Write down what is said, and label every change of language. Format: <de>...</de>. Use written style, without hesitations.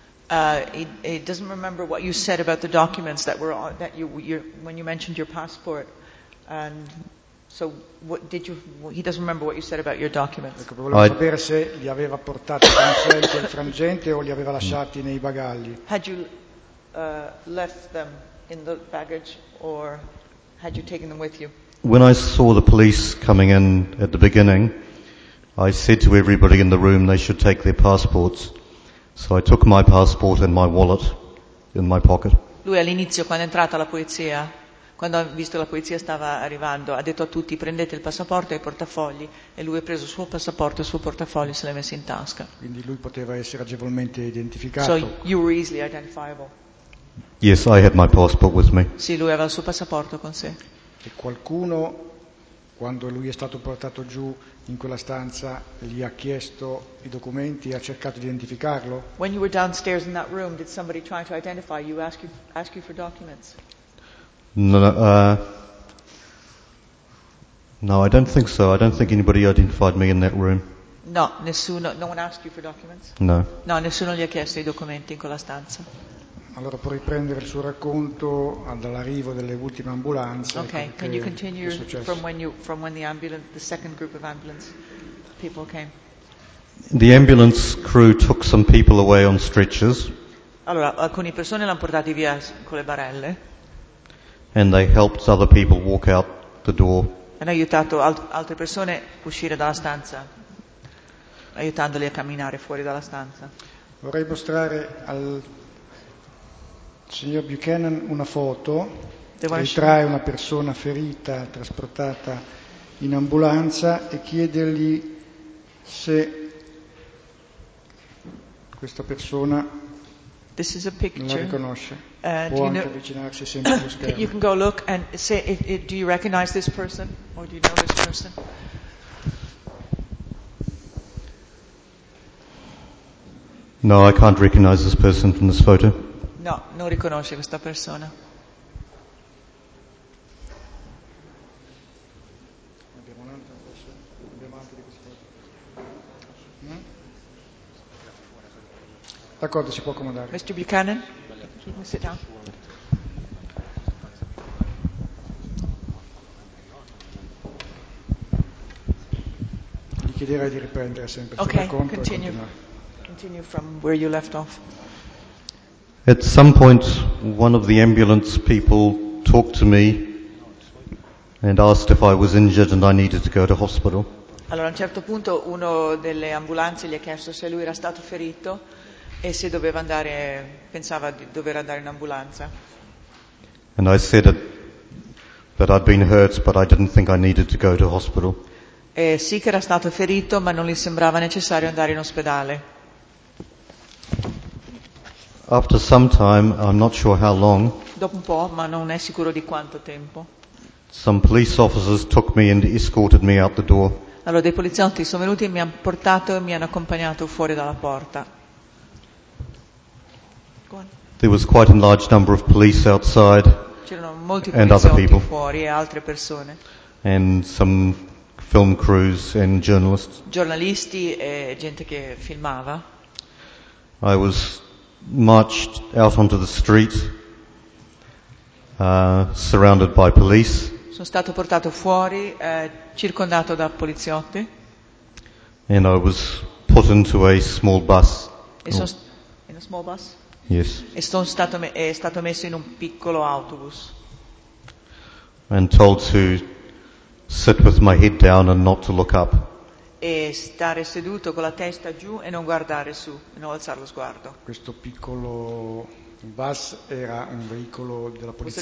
<en>He doesn't remember what you said about the documents that were that you when you mentioned your passport. And so what did you? He doesn't remember what you said about your documents.</en> <it>Ecco, volevo sapere se li aveva portati con sé in quel frangente o li aveva lasciati nei bagagli.</it> <en>Had you left them in the baggage or had you taken them with you? When I saw the police coming in at the beginning, I said to everybody in the room they should take their passports. So I took my passport and my wallet in my pocket.</en> <it>Lui all'inizio, quando è entrata la polizia, quando ha visto la polizia stava arrivando, ha detto a tutti prendete il passaporto e i portafogli, e lui ha preso il suo passaporto e il suo portafoglio e se l'è messo in tasca. Quindi lui poteva essere agevolmente identificato.</it> <en>So you were easily identifiable. Yes, I had my passport with me.</en> <it>Sì, lui aveva il suo passaporto con sé. E qualcuno quando lui è stato portato giù in quella stanza, gli ha chiesto i documenti, ha cercato di identificarlo?</it> <en>When you were downstairs in that room, did somebody try to identify you, ask you for documents? No, I don't think so. I don't think anybody identified me in that room.</en> <it>No, nessuno.</it> <en>No one asked you for documents? No.</en> <it>No, nessuno gli ha chiesto i documenti in quella stanza. Allora può riprendere il suo racconto dall'arrivo delle ultime ambulanze.</it> <en>Okay, can you continue from when the second group of ambulance people came? The ambulance crew took some people away on stretchers.</en> <it>Allora, alcune persone l'hanno portati via con le barelle.</it> <en>And they helped other people walk out the door.</en> <it>Hanno aiutato altre persone uscire dalla stanza, aiutandoli a camminare fuori dalla stanza. Vorrei mostrare al signor Buchanan una foto che trae una persona ferita trasportata in ambulanza e chiedergli se questa persona la riconosce. Può anche avvicinarsi sempre allo schermo.</it> <en>You can go look and say if do you recognize this person or do you know this person? No, I can't recognize this person from this photo.</en> <it>No, non riconosce questa persona. Abbiamo un'altra persona? Abbiamo altri di questa foto? D'accordo, si può accomodare.</it> <en>Mr. Buchanan, can you sit down?</en> <it>Gli chiederei di riprendere sempre okay, sul racconto</it> <en>continue. E</en> <it>continuare.</it> <en>Continue from where you left off. At some point, one of the ambulance people talked to me and asked if I was injured and I needed to go to hospital.</en> <it>Allora, a un certo punto, uno delle ambulanze gli ha chiesto se lui era stato ferito e se doveva andare, pensava di dover andare in ambulanza.</it> <en>And I said that I'd been hurt, but I didn't think I needed to go to hospital.</en> <it>E sì che era stato ferito, ma non gli sembrava necessario andare in ospedale.</it> <en>After some time, I'm not sure how long.</en> <it>Dopo un po', ma non è sicuro di quanto tempo.</it> <en>Some police officers took me and escorted me out the door.</en> <it>Allora dei poliziotti sono venuti e mi hanno portato e mi hanno accompagnato fuori dalla porta.</it> <en>There was quite a large number of police outside.</en> <it>C'erano molti poliziotti fuori e altre persone.</it> <en>And some film crews and journalists.</en> <it>Giornalisti e gente che filmava.</it> <en>I was marched out onto the street, surrounded by police.</en> <it>Sono stato portato fuori, circondato da poliziotti.</it> <en>And I was put into a small bus. In a small bus? Yes.</en> <it>E sono stato è stato messo in un piccolo autobus.</it> <en>And told to sit with my head down and not to look up.</en> <it>E stare seduto con la testa giù e non guardare su, non alzare lo sguardo. Questo piccolo bus era un veicolo della polizia?</it>